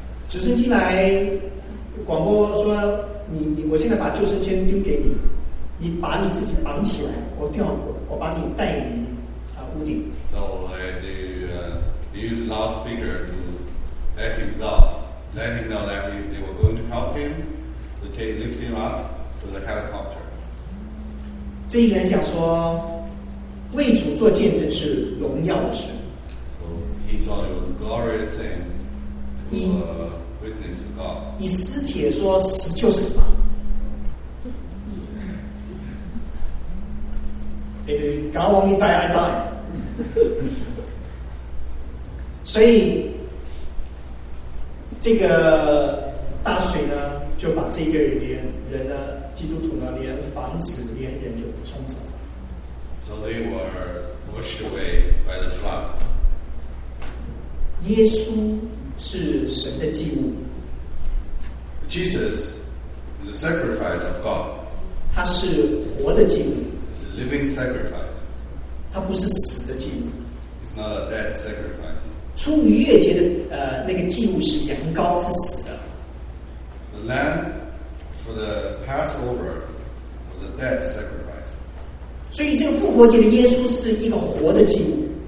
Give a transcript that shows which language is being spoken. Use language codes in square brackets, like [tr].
[zh] 直升机来，广播说你我现在把救生圈丢给你，你把你自己绑起来，我把你带离屋顶。 [en] So they use loudspeaker to let him down. Let him know that they were going to help him to lift him up to the helicopter. [zh] 这一个人讲说，为主做见证是荣耀的事。 [en] So he thought it was a glorious thing to witness to God. [zh] 以斯帖说，死就死吧。 [en] If God want me die, I die. [zh] 所以。这个大水呢，就把这个人呢，基督徒呢，连房子连人就冲走了。 [en] So they were washed away by the flood. [zh] 耶稣是神的祭物。 [en] Jesus is the sacrifice of God. [zh] 他是活的祭物。 [en] It's a living sacrifice. [zh] 他不是死的祭物。 [en] It's not a dead sacrifice. [zh] 出逾越节的那个祭物是羊羔，是死的。 [en] The lamb for the Passover was a dead sacrifice. [zh] 所以这个复活节的耶稣是一个活的祭物。